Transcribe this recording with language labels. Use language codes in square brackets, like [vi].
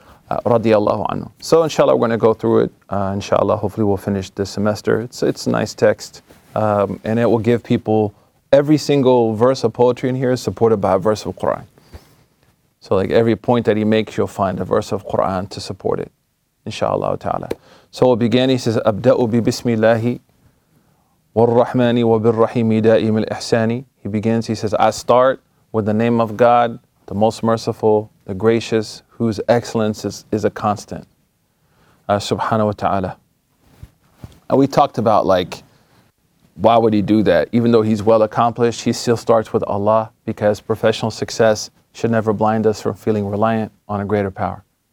[en] Radiallahu anhu. So inshallah, we're going to go through it. Inshallah, hopefully we'll finish this semester. It's a nice text, and it will give people every single verse of poetry in here is supported by a verse of Quran. So like every point that he makes, you'll find a verse of Quran to support it, inshallah ta'ala. So we'll begin, he says, [ar] أبدأ ببسمالله والرحمن وبالرحيم دائم الإحسان. [en] He begins, he says, I start with the name of God, the most merciful, the gracious, whose excellence is a constant. Subhanahu wa ta'ala. And we talked about like, why would he do that? Even though he's well accomplished, he still starts with Allah, because professional success should never blind us from feeling reliant on a greater power.